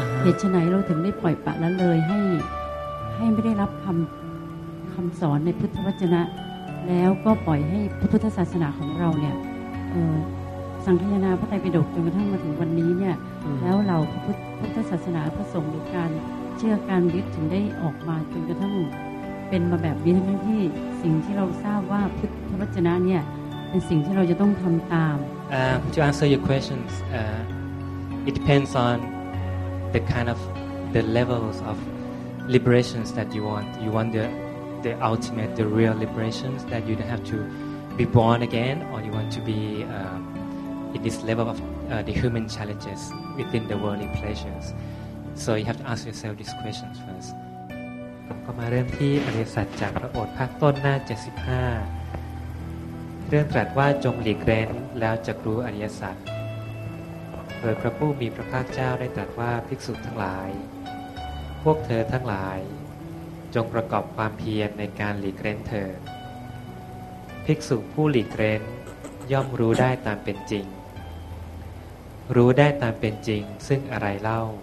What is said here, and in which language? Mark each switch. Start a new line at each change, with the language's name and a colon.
Thai: เหตุฉะไหนเราถึงได้ปล่อยปะละเลยให้ไม่ได้รับคำสอนในพุทธวจนะแล้วก็ปล่อยให้พระพุทธศาสนาของเราเนี่ยสังคายนาพระไตรปิฎกจนกระทั่งมาถึงวันนี้เนี่ยแล้วเราพุทธศาสนาพระสงฆ์ในการเชื่อการยึดถึงได้ออกมาจนกระทั่งเป็นมาแบบนี้ทั้งที่สิ่งที่เราทราบว่าพุทธวจนะเนี่ยเป็นสิ่งที่เราจะต้องทำตาม
English: To answer your questions it depends on the kind of the levels of liberations that you want. You want the ultimate, the real liberations that you don't have to be born again, or you want to be in this level of the human challenges within the worldly pleasures. So you have to ask yourself these questions first.
Thai: ก็มาเริ่มที่อริยสัจจากพระโอษฐ์ภาคต้นหน้า75เรื่องตรัสว่าจงหลีกเร้นแล้วจะรู้อริยสัจโดยพระผู้มีพระภาคเจ้าได้ตรัสว่าภิกษุทั้งหลายพวกเธอทั้งหลายจงประกอบความเพียรในการหลีกเร้นเถิดภิกษุผู้หลีกเร้นย่อมรู้ได้ตามเป็นจริงรู้ได้ตามเป็นจริงซึ่งอะไรเล่า